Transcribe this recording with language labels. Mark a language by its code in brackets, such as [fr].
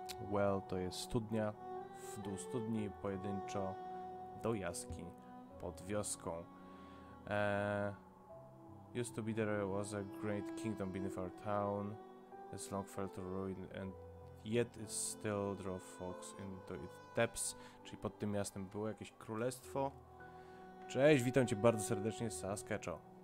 [pl] Well, to jest studnia. W dół studni pojedynczo do jaskiń pod wioską. [en] Used to be there was a great kingdom beneath our town. It's long fell to ruin and yet it still draw folks into its depths. [pl] Czyli pod tym miastem było jakieś królestwo. Cześć, witam cię bardzo serdecznie, Saskatcho.